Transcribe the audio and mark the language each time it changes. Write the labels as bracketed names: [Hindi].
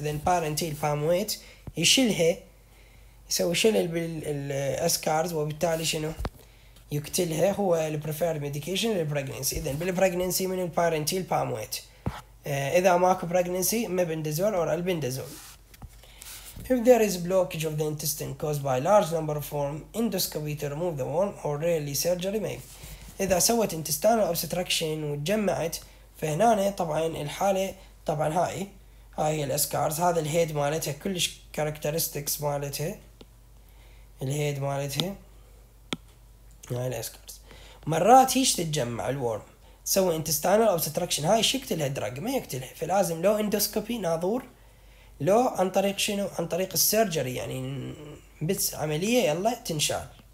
[Arabic] اذا البارنتيل باموييت يشيلها يسوي شلل بالاسكارز وبالتالي شنو يقتلها، هو البريفيرد ميديكيشن للبريجننسي. اذا بالبريجننسي من البارنتيل باموييت، اذا ماكو بريجننسي مبندازول او البندازول. [English] If there is blockage of the intestine caused by large number of worm, endoscopy to remove the worm or rarely surgery made. [Arabic] إذا سوت intestinal obstruction وتجمعت فهنا طبعا الحالة طبعا هاي هاي هي الاسكارز هذا الهيد مالتها كلش كاركترستكس مالتها الهيد مالتها هاي الاسكارز مرات هيش تتجمع الورم سوى انتستانال اوبستراكشن هاي شكتلها دراج ما يقتلها فلازم لو اندوسكوبي ناظور لو عن طريق شنو عن طريق السيرجري يعني بس عمليه يلا تنشال